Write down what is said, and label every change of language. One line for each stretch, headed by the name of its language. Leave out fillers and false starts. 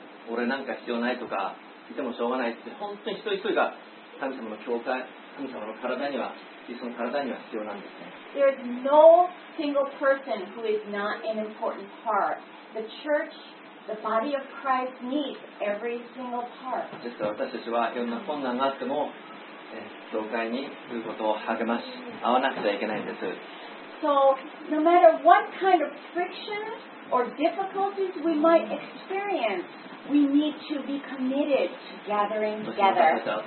Japanese: 俺なんか必要ないとかいてもしょうがないって本当に一人一人が神様の教会神様の体にはキリストの体には必要なんですね。
English: There is no single person who is not an important part. The church, the body of Christ needs every single part.
Japanese: ですから私たちはいろんな困難があっても教会に来ることを励まし合わなくちゃいけないんです。
English: So no matter what kind of frictionor difficulties we might experience, we need to be committed to gathering together.